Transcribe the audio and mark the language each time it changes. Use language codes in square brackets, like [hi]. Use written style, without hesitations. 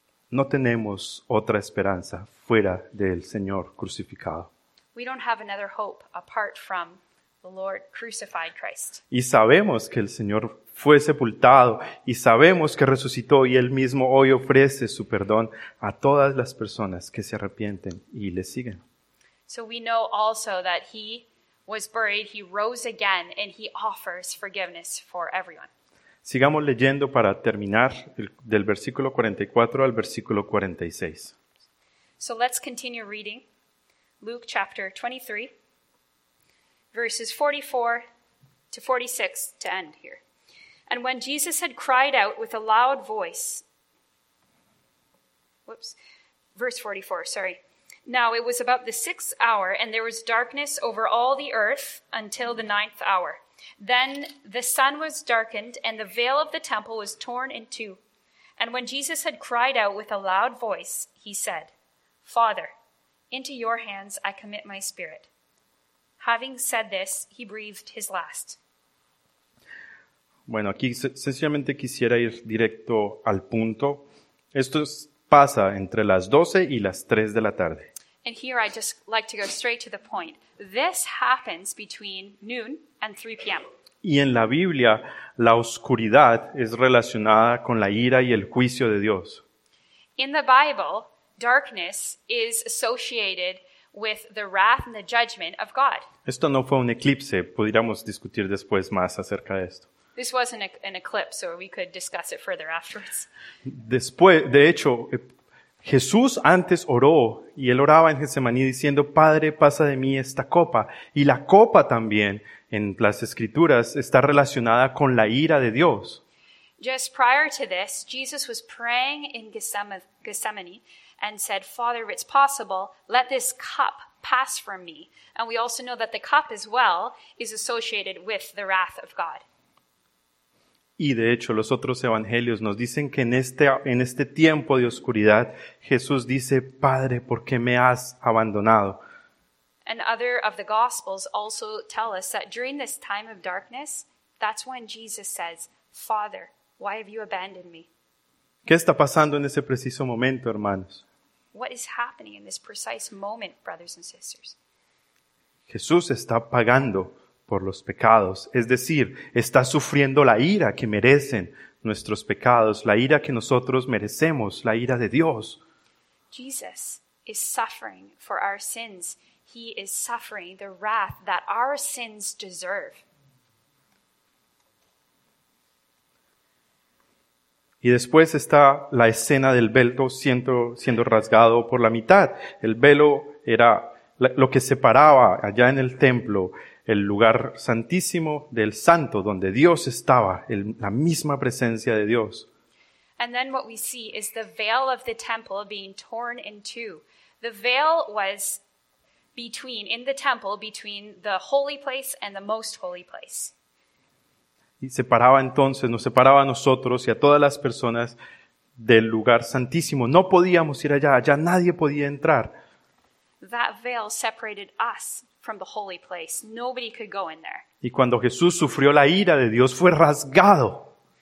[es] No tenemos otra esperanza fuera del Señor crucificado. [en] We don't have another hope apart from the Lord crucified Christ. [es] Y sabemos que el Señor fue sepultado y sabemos que resucitó y Él mismo hoy ofrece su perdón a todas las personas que se arrepienten y le siguen. [en] So we know also that He was buried, He rose again, and He offers forgiveness for everyone. [es] Sigamos leyendo para terminar del versículo 44 al versículo 46. [en] So let's continue reading Luke chapter 23, verses 44 to 46 to end here. And when Jesus had cried out with a loud voice, verse 44, sorry. Now it was about the sixth hour, and there was darkness over all the earth until the ninth hour. Then the sun was darkened, and the veil of the temple was torn in two. And when Jesus had cried out with a loud voice, he said, Father, into your hands I commit my spirit. Having said this, he breathed his last. [es] Bueno, aquí sencillamente quisiera ir directo al punto. Esto es, pasa entre las 12 y las 3 de la tarde. [en] And here I just like to go straight to the point. This happens between noon and 3 p.m. [es] Y en la Biblia, la oscuridad es relacionada con la ira y el juicio de Dios. [en] In the Bible, darkness is associated with the wrath and the judgment of God. [es] Esto no fue un eclipse. Podríamos discutir después más acerca de esto. [en] This wasn't an eclipse, so we could discuss it further afterwards. [es] Después, de hecho, Jesús antes oró, y él oraba en Getsemaní diciendo, Padre, pasa de mí esta copa. Y la copa también, en las Escrituras, está relacionada con la ira de Dios. [en] Just prior to this, Jesus was praying in Gethsemane and said, Father, if it's possible, let this cup pass from me. And we also know that the cup as well is associated with the wrath of God. [es] Y de hecho, los otros evangelios nos dicen que en este tiempo de oscuridad, Jesús dice, Padre, ¿por qué me has abandonado? [en] And other of the gospels also tell us that during this time of darkness, that's when Jesus says, Father, why have you abandoned me? [es] ¿Qué está pasando en ese preciso momento, hermanos? [en] What is happening in this precise moment, brothers and sisters? [es] Jesús está pagando por los pecados, es decir, está sufriendo la ira que merecen nuestros pecados, la ira que nosotros merecemos, la ira de Dios. [en] Jesus is suffering for our sins. He is suffering the wrath that our sins deserve. [es] Y después está la escena del velo siendo rasgado por la mitad. El velo era lo que separaba allá en el templo el lugar santísimo del santo, donde Dios estaba, la misma presencia de Dios. [en] And then what we see is the veil of the temple being torn in two. The veil was between, in the temple, between the holy place and the most holy place. [es] Y separaba entonces, nos separaba a nosotros y a todas las personas del lugar santísimo. No podíamos ir allá, allá nadie podía entrar. [en] That veil separated us from the holy place. Nobody could go in there. [es] Y cuando Jesús sufrió la ira de Dios, fue rasgado.